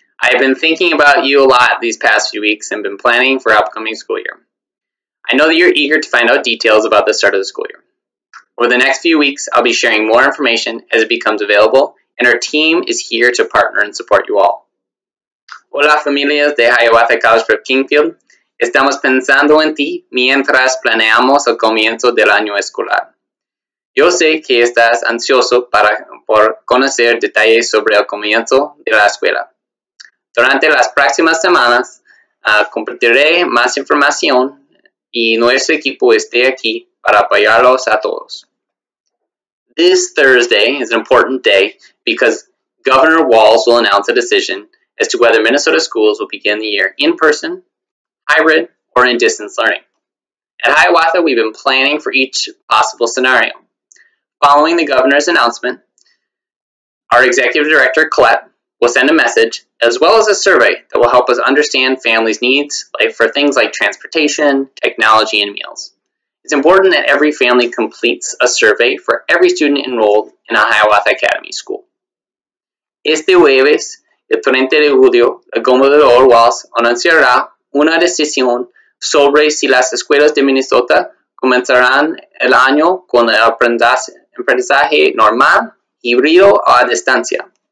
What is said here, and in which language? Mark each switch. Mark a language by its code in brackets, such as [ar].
[en] I have been thinking about you a lot these past few weeks and been planning for upcoming school year. I know that you're eager to find out details about the start of the school year. Over the next few weeks, I'll be sharing more information as it becomes available, and our team is here to partner and support you all. [es] Hola, familias de Hiawatha College Prep Kingfield. Estamos pensando en ti mientras planeamos el comienzo del año escolar. Yo sé que estás ansioso por conocer detalles sobre el comienzo de la escuela. Durante las próximas semanas, compartiré más información y nuestro equipo esté aquí para apoyarlos a todos. [en] This Thursday is an important day because Governor Walz will announce a decision as to whether Minnesota schools will begin the year in person, hybrid, or in distance learning. At Hiawatha, we've been planning for each possible scenario. Following the governor's announcement, our executive director, Colette, will send a message as well as a survey that will help us understand families' needs for things like transportation, technology, and meals. It's important that every family completes a survey for every student enrolled in a Hiawatha Academy school. [es] Este jueves, el 30 de julio, el gobernador Walz anunciará una decisión sobre si las escuelas de Minnesota comenzarán el año con el aprendizaje normal, híbrido o a distancia.